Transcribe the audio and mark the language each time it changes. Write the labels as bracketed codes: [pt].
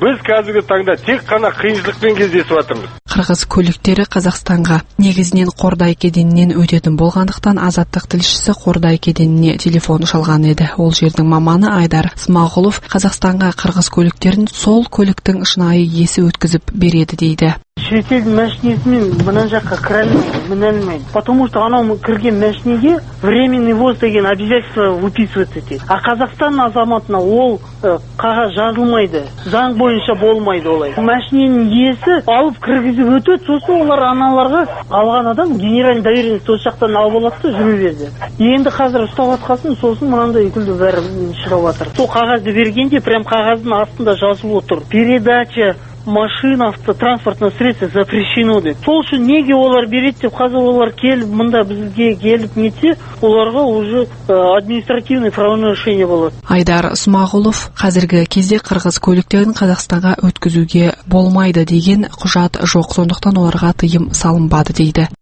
[kk] Біз қазіргі таңда тек қана қиыншылықпен кездесіп жатырмыз. Қырғыз көліктері Қазақстанға негізінен Қордай кеденінен өтетін болғандықтан Азаттық тілшісі Қордай кеденіне телефон шалған еді. Ол жердің маманы Айдар Смағұлов Қазақстанға қырғыз көліктерін сол көліктің шынайы иесі өткізіп береді дейді. Шетел машинесімен мына жаққа кіре алмайды, потому что анау кірген машинеге временный ввоз деген обязательство выписывается етеді. А Қазақстан азаматына ол қағаз жазылмайды, заң бойынша болмайды олай. Машиненің иесі алып кіргізіп өтеді, сосын олар аналарға алған адам генеральный доверенность осы жақтан алып алады да жүре берді. Енді қазір ұстап жатқасын, сосын мынандай күлді бәрі шығып жатыр. Сол қағазды бергенде прям қағаздың астында жазылып отыр: передача [ru] машина, автотранспортное средство запрещено. [kk] Сол үшін неге олар береді деп, қазір олар келіп, мында бізге келіп нетсе, оларға уже административный правонарушение болады. Айдар Смағұлов, қазіргі кезде қырғыз көліктерін Қазақстанға өткізуге болмайды деген құжат жоқ, сондықтан оларға тыйым салынбады дейді.